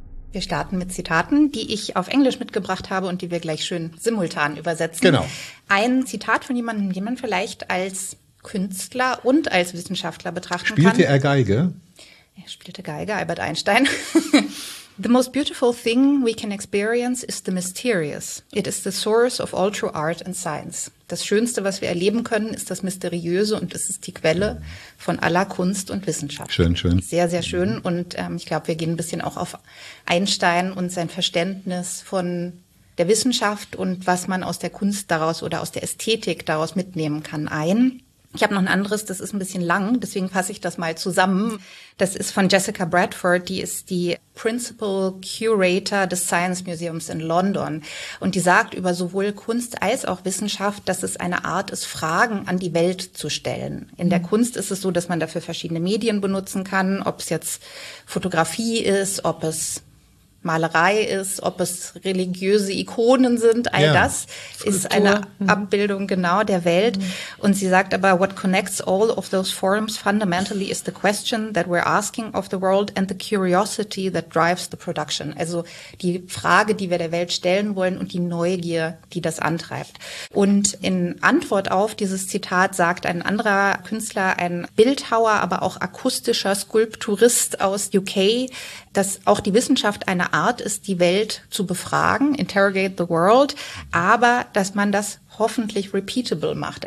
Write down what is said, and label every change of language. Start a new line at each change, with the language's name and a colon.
German: Wir starten mit Zitaten, die ich auf Englisch mitgebracht habe und die wir gleich schön simultan übersetzen. Genau. Ein Zitat von jemandem, den man vielleicht als Künstler und als Wissenschaftler betrachten spielte kann. Spielte er Geige? Er spielte Geige, Albert Einstein.
English: The most beautiful thing we can experience is the mysterious. It is the source of all true art and science.
German: Das Schönste, was wir erleben können, ist das Mysteriöse und es ist die Quelle von aller Kunst und Wissenschaft. Schön, schön. Sehr, sehr schön. Und ich glaube, wir gehen ein bisschen auch auf Einstein und sein Verständnis von der Wissenschaft und was man aus der Kunst daraus oder aus der Ästhetik daraus mitnehmen kann ein. Ich habe noch ein anderes, das ist ein bisschen lang, deswegen fasse ich das mal zusammen. Das ist von Jessica Bradford, die ist die Principal Curator des Science Museums in London. Und die sagt über sowohl Kunst als auch Wissenschaft, dass es eine Art ist, Fragen an die Welt zu stellen. In der Kunst ist es so, dass man dafür verschiedene Medien benutzen kann, ob es jetzt Fotografie ist, ob es Malerei ist, ob es religiöse Ikonen sind, all das ist eine Abbildung genau der Welt. Mhm. Und sie sagt aber,
English: what connects all of those forms fundamentally is the question that we're asking of the world and the curiosity that drives the production.
German: Also die Frage, die wir der Welt stellen wollen und die Neugier, die das antreibt. Und in Antwort auf dieses Zitat sagt ein anderer Künstler, ein Bildhauer, aber auch akustischer Skulpturist aus UK, dass auch die Wissenschaft eine Art ist, die Welt zu befragen,
English: interrogate the world,
German: aber dass man das hoffentlich repeatable macht.